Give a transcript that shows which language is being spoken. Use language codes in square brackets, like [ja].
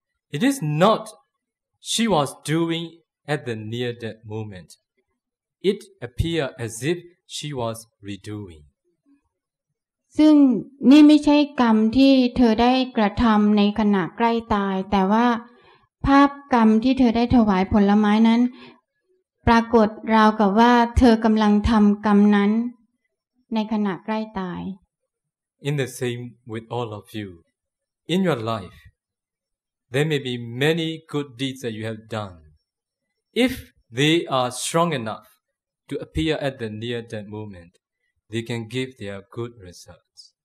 [en] It is not she was doing at the near death moment. It appeared as if she was redoing. [th] ซึ่งนี่ไม่ใช่กรรมที่เธอได้กระทำในขณะใกล้ตายแต่ว่าภาพกรรมที่เธอได้ถวายผลไม้นั้นปรากฏราวกับว่าเธอกำลังทำกรรมนั้นในขณะใกล้ตาย [en] In the same with all of you in your life there may be many good deeds that you have done if they are strong enough to appear at the near death momentthey can give their good results